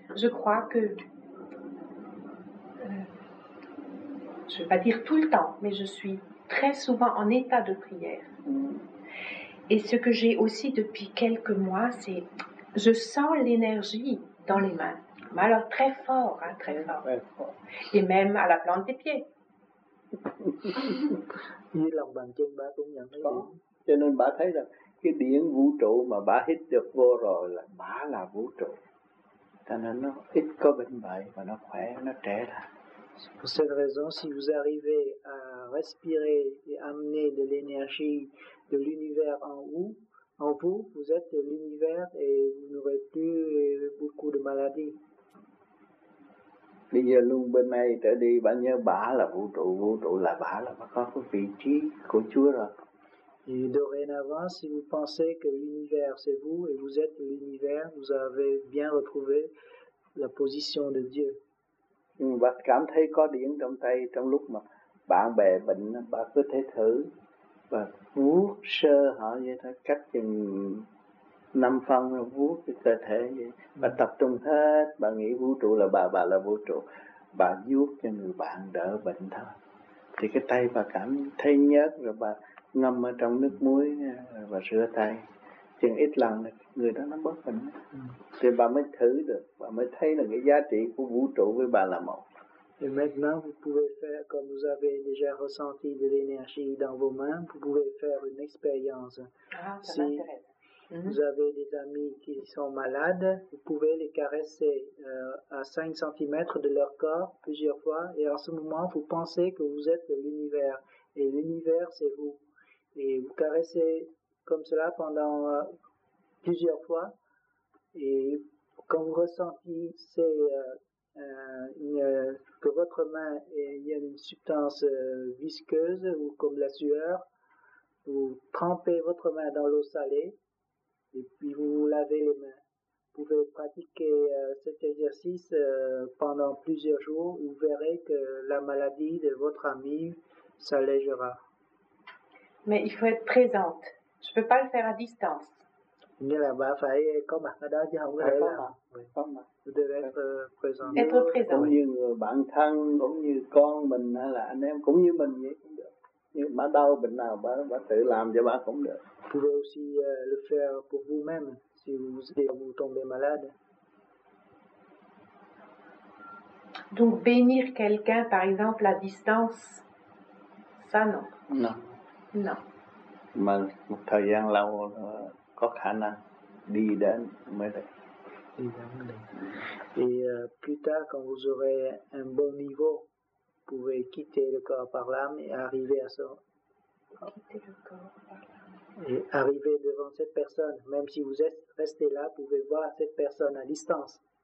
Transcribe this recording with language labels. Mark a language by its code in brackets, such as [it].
[fr] Je crois que je ne vais pas dire tout le temps, mais je suis très souvent en état de prière. Et ce que j'ai aussi depuis quelques mois, c'est je sens l'énergie dans les mains. Mais alors très fort, hein, très fort. Très fort. Et même à la plante des pieds. [vi] Như lòng bàn chân ba cũng nhận thấy. Cho nên bà thấy là cái điện vũ trụ mà bà hít được vô rồi là bà là vũ trụ. Cho nên nó ít có bệnh bệnh và nó khỏe, nó trẻ lại. [fr] Pour cette raison, si vous arrivez à respirer et amener de l'énergie de l'univers en vous, vous êtes l'univers et vous n'aurez plus beaucoup de maladies. [vi] Bây giờ luôn bên này trở đi, bà nhớ bà là vũ trụ là bà là bà có cái vị trí của Chúa rồi. [fr] Et dorénavant, si vous pensez que l'univers c'est vous et vous êtes l'univers, vous avez bien retrouvé la position de Dieu. [vi] Bà cảm thấy có điện trong tay trong lúc mà bạn bè bệnh, bà cứ thể thử và vuốt sơ họ như thế, cách chừng 5 phân vuốt cái cơ thể vậy. Bà tập trung hết, bà nghĩ vũ trụ là bà là vũ trụ. Bà vuốt cho người bạn đỡ bệnh thôi. Thì cái tay bà cảm thấy nhớt rồi bà ngâm ở trong nước muối và rửa tay. Chừng ít lần là người đó nó bớt bệnh. Thì bà mới thử được, bà mới thấy là cái giá trị của vũ trụ với bà là một. [fr] Et maintenant, vous pouvez faire, comme vous avez déjà ressenti de l'énergie dans vos mains, vous pouvez faire une expérience. Ah, ça m'intéresse. Vous avez des amis qui sont malades, vous pouvez les caresser à 5 cm de leur corps plusieurs fois, et en ce moment, vous pensez que vous êtes l'univers, et l'univers, c'est vous. Et vous caressez comme cela pendant plusieurs fois, et quand vous ressentez que votre main y a une substance visqueuse ou comme la sueur, vous trempez votre main dans l'eau salée et puis vous vous lavez les mains. Vous pouvez pratiquer cet exercice pendant plusieurs jours, vous verrez que la maladie de votre ami s'allégera. Mais il faut être présente. Je peux pas le faire à distance. [vi] Nghĩa là bà phải có mặt ở đó chứ không có thể là [fr] être présent. [vi] Cũng như người bạn thân, cũng như con mình hay là anh em, cũng như mình vậy cũng được. Nhưng mà đau bệnh nào bà tự làm cho bà cũng được. [fr] Vous pouvez aussi le faire pour vous-même si vous tombez malade. Donc bénir quelqu'un par exemple à distance, ça non. Non. Non. [vi] Mà một thời gian lâu có khả năng đi đến mới được. [fr] Et plus tard, quand vous aurez un bon niveau, vous pouvez quitter le corps par l'âme et arriver à ça. Quitter le corps. Et arriver devant cette personne, même si vous êtes resté là, vous pouvez voir cette personne à distance.